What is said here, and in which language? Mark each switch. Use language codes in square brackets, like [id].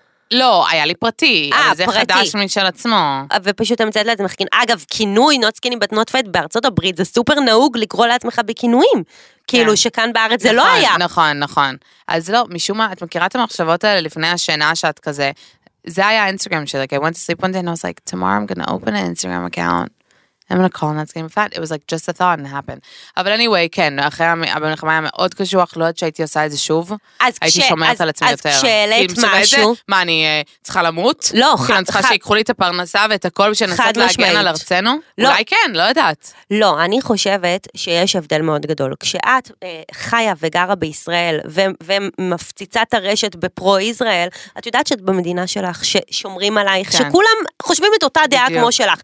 [he] לא, היה לי פרטי. אבל זה פרטי. חדש משל עצמו. ופשוט המצאת לה את זה מחכין. אגב, כינוי, [en] not skinny but not fat, [he] בארצות הברית, זה סופר נהוג לקרוא לעצמך בכינויים. כאילו שכאן בארץ זה לא היה. נכון, נכון. אז לא, משום מה, את מכירה את המחשבות האלה לפני השינה שאת כזה, זה היה האינסטגרם שלי. [en] Like, I went to sleep one day and I was like, tomorrow I'm gonna open an Instagram account. I'm gonna call not skinny but fat. It was like just a thought and it happened. [he] אבל anyway, כן, אחרי המלחמה היה מאוד קשוח, לא עד שהייתי עושה את זה שוב, הייתי שומעת על עצמי יותר. אז כשאלית משהו... מה, אני צריכה למות? לא. כי אני צריכה שיקחו לי את הפרנסה ואת הכל בשביל לנסות להגן על ארצנו? אולי כן, לא יודעת. לא, אני חושבת שיש הבדל מאוד גדול. כשאת חיה וגרה בישראל ומפציצה את הרשת בפרו-ישראל, את יודעת שאת במדינה שלך ששומרים עלייך, שכולם חושבים את אותה דעה כמו שלך.